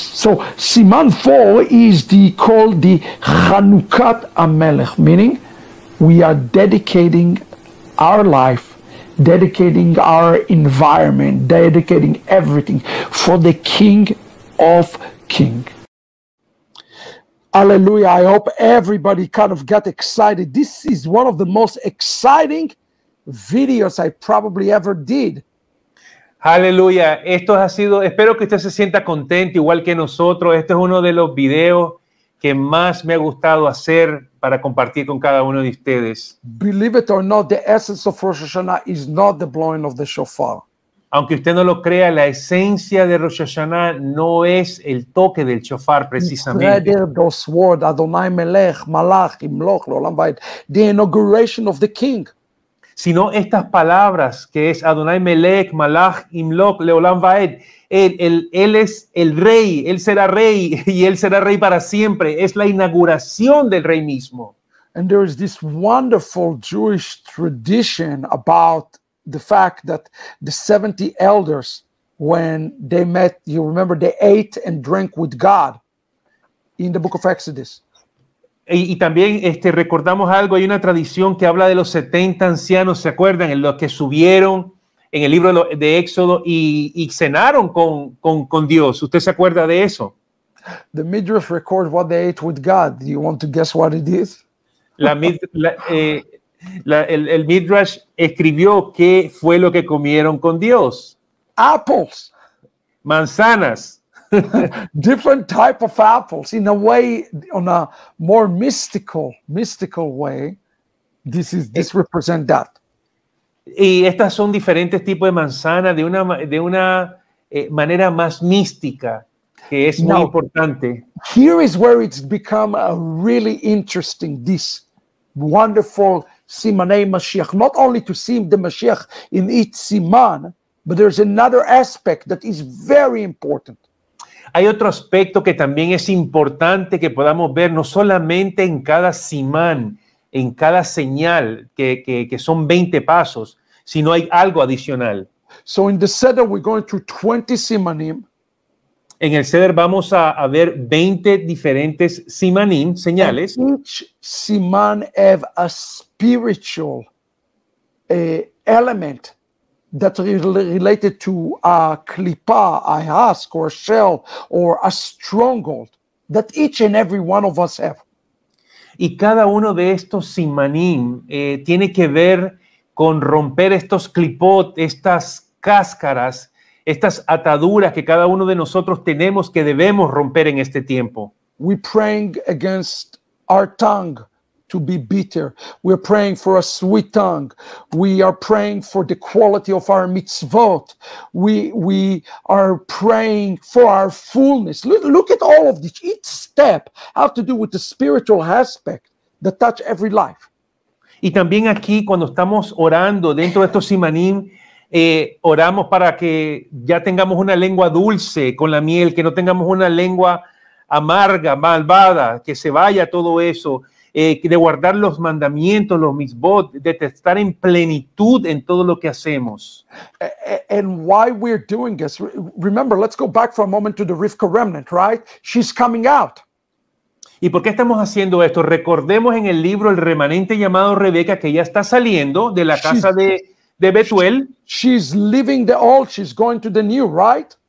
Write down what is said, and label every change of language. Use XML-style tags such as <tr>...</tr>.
<en>So Siman 4 is called the Chanukat HaMelech, meaning we are dedicating our life, dedicating our environment, dedicating everything for the King of Kings. Hallelujah. I hope everybody kind of got excited. This is one of the most exciting videos I probably ever did. Hallelujah.</en> <es>Esto ha sido, espero que usted se sienta contento igual que nosotros. Este es uno de los videos que más me ha gustado hacer para compartir con cada uno de ustedes.</es> <en>Believe it or not, the essence of Rosh Hashanah is not the blowing of the shofar.</en> <es>Aunque usted no lo crea, la esencia de Rosh Hashanah no es el toque del shofar precisamente.</es> <en>Those words,</en> <he>Adonai Melech, Malach, Imloch, Leolam Va'ed,</he> <en>the inauguration of the king.</en> <es>Sino estas palabras que es</es> <he>Adonai Melech, Malach, Imloch, Leolam Va'ed.</he> <es>Él es el rey, él será rey y él será rey para siempre. Es la inauguración del rey mismo.</es> <en>And there is this wonderful Jewish tradition about the fact that the 70 elders, when they met, you remember, they ate and drank with God in the book of Exodus.</en> <es>Y también recordamos algo, hay una tradición que habla de los 70 ancianos, ¿se acuerdan? Los que subieron en el libro de Éxodo y cenaron con Dios. ¿Usted se acuerda de eso?</es> <en>The Midrash records what they ate with God. Do you want to guess what it is?</en> <es>El Midrash escribió qué fue lo que comieron con Dios.</es> <en>Apples.</en> <es>Manzanas.</es> <en>Different type of apples. In a way, on a more mystical way, this represents that.</en> <es>Y estas son diferentes tipos de manzanas de una manera más mística, que es muy importante.</es> <en>Here is where it's become a really interesting, this wonderful Simanei Mashiach. Not only to see the Mashiach in each Siman, but there's another aspect that is very important.</en> <es>Hay otro aspecto que también es importante que podamos ver, no solamente en cada simán, en cada señal, que son 20 pasos, sino hay algo adicional.</es> <en>So in the Seder we're going through 20 simanim.</en> <es>En el Seder vamos a ver 20 diferentes simanim, señales.</es> <en>And each siman have a spiritual element that's related to a klipa, a husk, or a shell, or a stronghold that each and every one of us have.</en> <es>Y cada uno de estos simanim tiene que ver con romper estos klipot, estas cáscaras, estas ataduras que cada uno de nosotros tenemos que debemos romper en este tiempo.</es> <en>We're praying against our tongue to be bitter. We're praying for a sweet tongue. We are praying for the quality of our mitzvot. We are praying for our fullness. Look at all of this. Each step has to do with the spiritual aspect that touch every life.</en> <es>Y también aquí cuando estamos orando dentro de estos simanim, oramos para que ya tengamos una lengua dulce con la miel, que no tengamos una lengua amarga, malvada, que se vaya todo eso. De guardar los mandamientos, los mitzvot, de estar en plenitud en todo lo que hacemos.</es> <en>And why we're doing this? Remember, let's go back for a moment to the Rivka remnant, right? She's coming out.</en> <es>¿Y por qué estamos haciendo esto? Recordemos en el libro El remanente llamado Rebeca, que ya está saliendo de la casa de Betuel.</es> <en>She's leaving the old, she's going to the new, right?</en>